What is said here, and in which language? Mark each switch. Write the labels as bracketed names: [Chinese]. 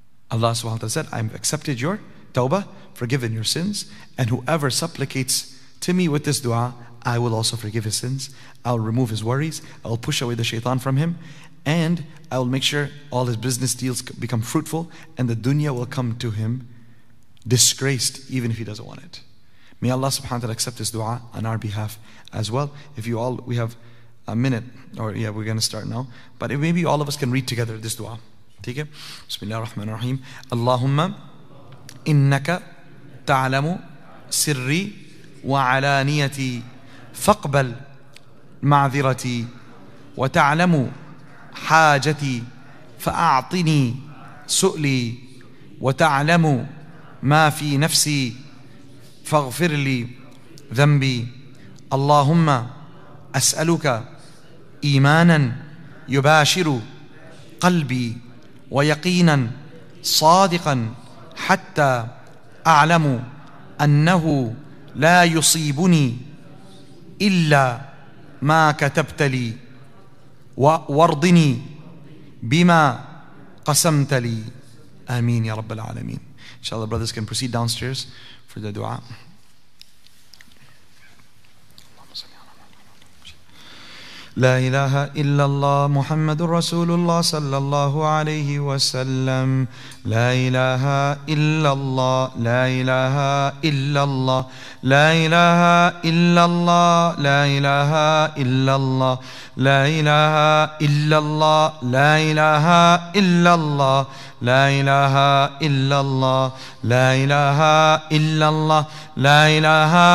[English] Allah subhanahu wa ta'ala said, I've accepted your tawbah, forgiven your sins, and whoever supplicates to me with this dua, I will also forgive his sins, I'll remove his worries, I'll push away the shaitan from him, and I will make sure all his business deals become fruitful, and the dunya will come to him disgraced, even if he doesn't want it. May Allah subhanahu wa ta'ala accept this dua on our behalf as well. If you all, we have a minute, or yeah, we're going to start now, but maybe all of us can read together this dua. Take it. Bismillah ar-Rahman ar-Rahim. [Arabic] Allahumma innaka ta'alamu sirri wa'alaniyati faqbal ma'zirati wa'ta'alamu حاجتي فأعطني سؤلي وتعلم ما في نفسي فاغفر لي ذنبي اللهم أسألك إيمانا يباشر قلبي ويقينا صادقا حتى أعلم أنه لا يصيبني إلا ما كتبت لي وارضني بما قسمت لي آمين يا رب العالمين. إن شاء الله [English] the brothers can proceed downstairs for the dua. [Arabic] لا إله إلا الله محمد رسول الله صلى الله عليه وسلم لا إله إلا الله لا إله إلا الله لا إله إلا الله لا إله إلا الله لا إله إلا الله لا إله إلا الله لا إله إلا الله لا إله إلا الله لا إله